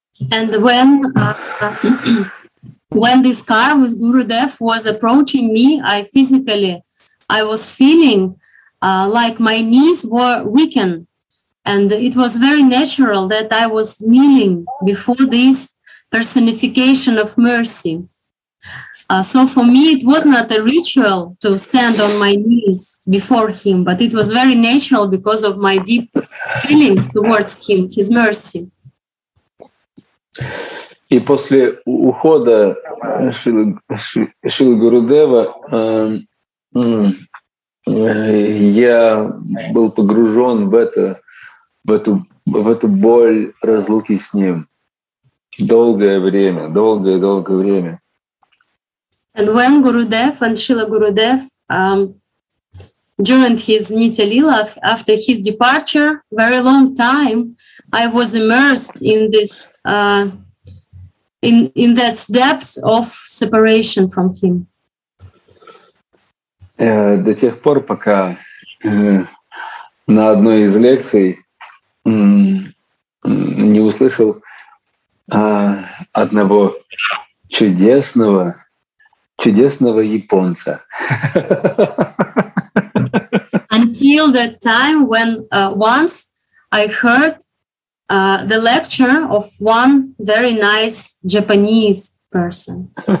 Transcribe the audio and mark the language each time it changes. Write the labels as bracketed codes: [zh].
[en] And when this car with Gurudev was approaching me, I was feeling like my knees were weakened, and it was very natural that I was kneeling before this personification of mercy. So for me, it was not a ritual to stand on my knees before him, but it was very natural because of my deep feelings towards him, his mercy. [ru] И после ухода Шрилы Гурудева я был погружен в эту боль разлуки с ним долгое время. [en] And when Gurudev and Srila Gurudev joined his Nitya Lila after his departure, very long time, I was immersed in this in that depth of separation from him. [ru] До тех пор, пока на одной из лекций не услышал одного чудесного японца. [en] Until that time, when once I heard the lecture of one very nice Japanese person.